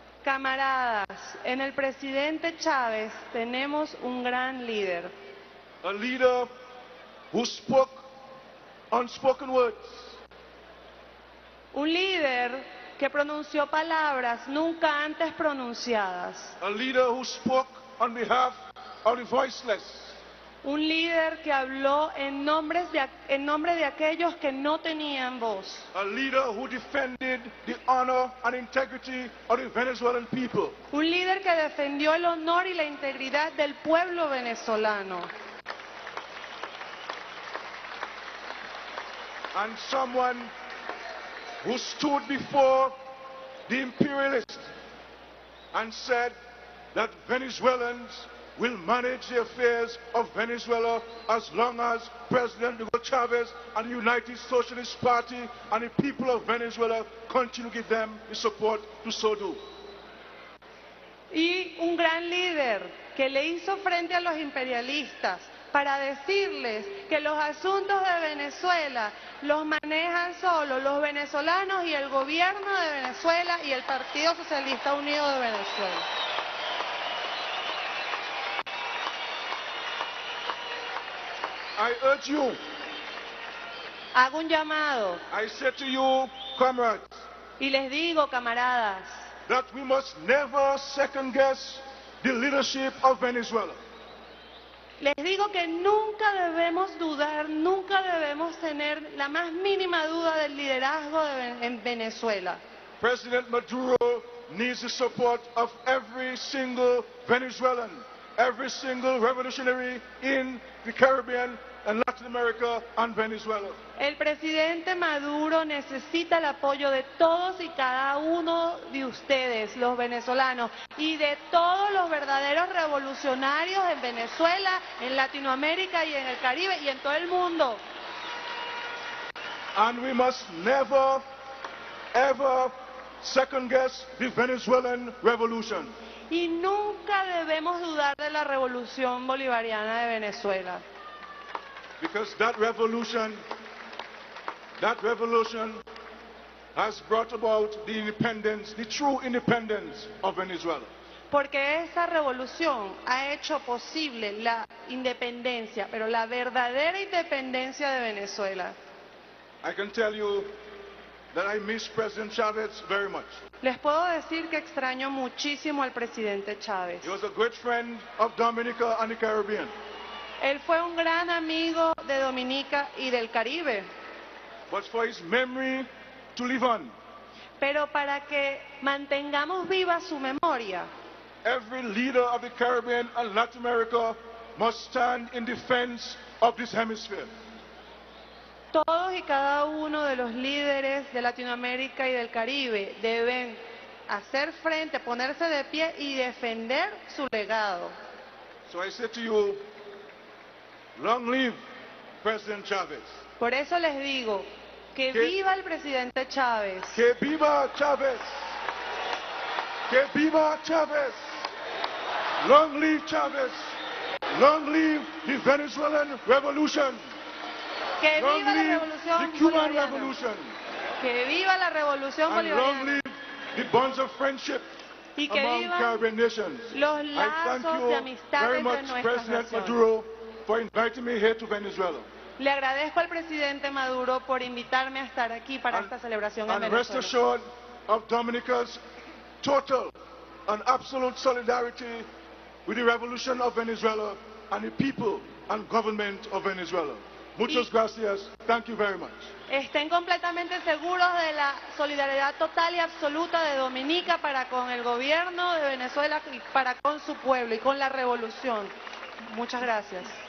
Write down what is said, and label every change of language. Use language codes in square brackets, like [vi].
[es] Camaradas, en el presidente Chávez tenemos un gran líder. [en] A leader who spoke unspoken words. [es] Un líder que pronunció palabras nunca antes pronunciadas. [en] A leader who spoke on behalf of the voiceless. [es] Un líder que habló en nombre de aquellos que no tenían voz. [en] A leader who defended the honor and integrity of the Venezuelan people. [es] Un líder que defendió el honor y la integridad del pueblo venezolano. [en] And someone who stood before the imperialists and said that Venezuelans will manage the affairs of Venezuela as long as President Hugo Chávez and the United Socialist Party and the people of Venezuela continue to give them the support to so do. [es] Y un gran líder que le hizo frente a los imperialistas para decirles que los asuntos de Venezuela los manejan solo los venezolanos y el gobierno de Venezuela y el Partido Socialista Unido de Venezuela. [en] I urge you. [es] Hago un llamado. [en] I say to you, comrades. [es] Y les digo, camaradas. [en] That we must never second guess the leadership of Venezuela. [es] Les digo que nunca debemos dudar, nunca debemos tener la más mínima duda del liderazgo en Venezuela. [en] President Maduro needs the support of every single Venezuelan, every single revolutionary in the Caribbean and Latin America and Venezuela. [es] El presidente Maduro necesita el apoyo de todos y cada uno de ustedes, los venezolanos, y de todos los verdaderos revolucionarios en Venezuela, en Latinoamérica y en el Caribe y en todo el mundo. [en] And we must never, ever second guess the Venezuelan revolution. [es] Y nunca debemos dudar de la revolución bolivariana de Venezuela. [en] Because that revolution has brought about the independence, the true independence of Venezuela. [es] Porque esa revolución ha hecho posible la independencia, pero la verdadera independencia de Venezuela. [en] I can tell you that I miss President Chavez very much. [es] Les puedo decir que extraño muchísimo al presidente Chávez. [en] He was a great friend of Dominica and the Caribbean. [es] Él fue un gran amigo de Dominica y del Caribe. [en] But for his memory to live on. [es] Pero para que mantengamos viva su memoria. [en] Every leader of the Caribbean and Latin America must stand in defense of this hemisphere. [es] Todos y cada uno de los líderes de Latinoamérica y del Caribe deben hacer frente, ponerse de pie y defender su legado. [en] So I say to you, long live President Chavez. [es] Por eso les digo, que viva el presidente Chávez. Que viva Chávez. Que viva Chávez. [en] Long live Chávez. Long live the Venezuelan Revolution. [es] Que viva la revolución [en] the Cuban Revolution. [es] Que viva la revolución bolivariana. [en] Long live the bonds of friendship [es] y que [en] among [es] vivan [en] Caribbean nations. [es] Los lazos de amistad entre nuestras [en] Thank you President Maduro for inviting me here to Venezuela. [es] Le agradezco al presidente Maduro por invitarme a estar aquí para esta celebración en Venezuela. [en] And rest assured of Dominica's total and absolute solidarity with the revolution of Venezuela and the people and government of Venezuela. [es] Muchas gracias. [en] Thank you very much. [es] Estén completamente seguros de la solidaridad total y absoluta de Dominica para con el gobierno de Venezuela y para con su pueblo y con la revolución. Muchas gracias.